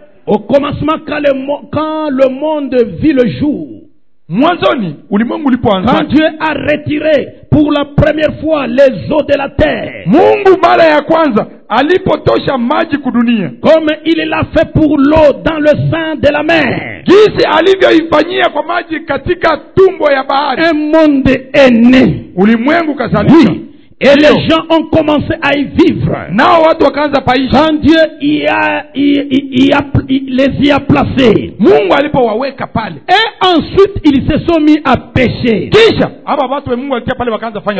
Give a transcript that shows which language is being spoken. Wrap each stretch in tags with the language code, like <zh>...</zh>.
<fr>Au commencement, quand le monde vit le jour.</fr> <sw>Mwanzoni, ulimwengu ulipoanza.</sw> <fr>Quand Dieu a retiré pour la première fois les eaux de la terre.</fr> <sw>Mungu mara ya kwanza alipotosha maji kudunia.</sw> <fr>Comme il l'a fait pour l'eau dans le sein de la mer.</fr> <sw>Jinsi alivyoifanyia kwa maji katika tumbo ya bahari.</sw> <fr>Un monde est né.</fr> <sw>Ulimwengu kazalika.</sw> <fr>Oui. Et les gens ont commencé à y vivre.</fr> <sw>Nao watu wakaanza paishi.</sw> <fr>Quand Dieu les y a placés.</fr> <sw>Mungu alipowaweka pale.</sw> <fr>Et ensuite ils se sont mis à pêcher.</fr> <sw>Kisha hapo watu Mungu alitia pale wakaanza fanya</sw>